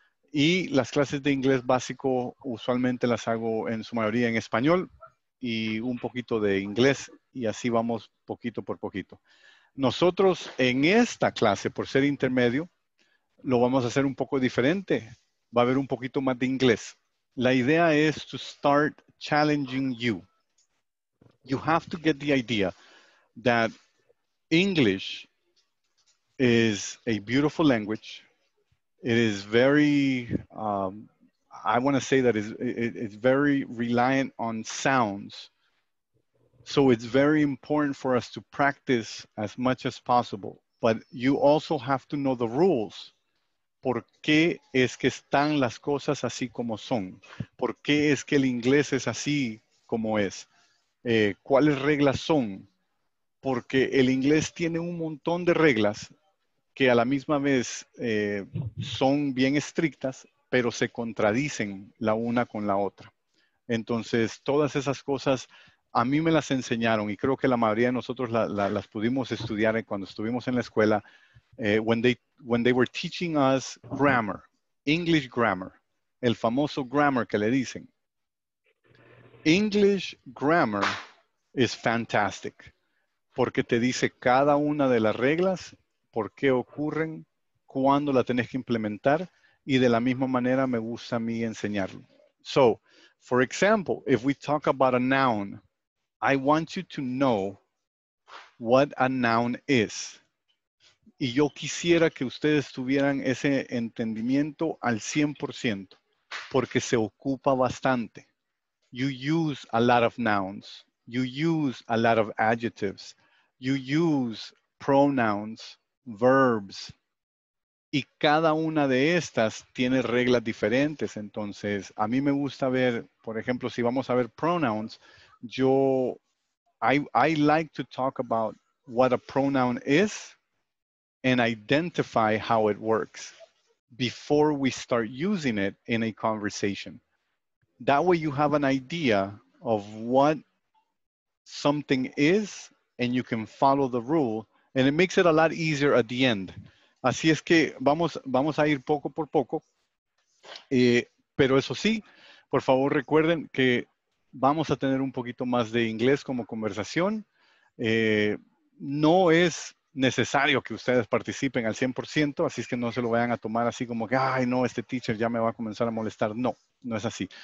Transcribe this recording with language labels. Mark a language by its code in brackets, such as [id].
[es] Y las clases de inglés básico usualmente las hago en su mayoría en español y un poquito de inglés, y así vamos poquito por poquito. Nosotros en esta clase, por ser intermedio, lo vamos a hacer un poco diferente. Va a haber un poquito más de inglés. La idea es [en] to start challenging you. You have to get the idea that English is a beautiful language. It is very, I want to say that it's very reliant on sounds. So it's very important for us to practice as much as possible. But you also have to know the rules. [es] ¿Por qué es que están las cosas así como son? ¿Por qué es que el inglés es así como es? ¿Cuáles reglas son? Porque el inglés tiene un montón de reglas que a la misma vez son bien estrictas, pero se contradicen la una con la otra. Entonces, todas esas cosas a mí me las enseñaron y creo que la mayoría de nosotros las pudimos estudiar cuando estuvimos en la escuela. [en] When they were teaching us grammar, English grammar, [es] el famoso grammar que le dicen. [en] English grammar is fantastic [es] porque te dice cada una de las reglas, por qué ocurren, cuándo la tenés que implementar, y de la misma manera me gusta a mí enseñarlo. [en] So, for example, if we talk about a noun, I want you to know what a noun is. [es] Y yo quisiera que ustedes tuvieran ese entendimiento al 100%. porque se ocupa bastante. [en] You use a lot of nouns. You use a lot of adjectives. You use pronouns, verbs. [es] Y cada una de estas tiene reglas diferentes. Entonces, a mí me gusta ver, por ejemplo, si vamos a ver pronouns, yo, [en] I like to talk about what a pronoun is and identify how it works before we start using it in a conversation. That way you have an idea of what something is and you can follow the rule, and it makes it a lot easier at the end. [es] Así es que vamos a ir poco por poco. Pero eso sí, por favor recuerden que vamos a tener un poquito más de inglés como conversación. No es necesario que ustedes participen al 100%, así es que no se lo vayan a tomar así como que, ay no, este teacher ya me va a comenzar a molestar. No, no es así.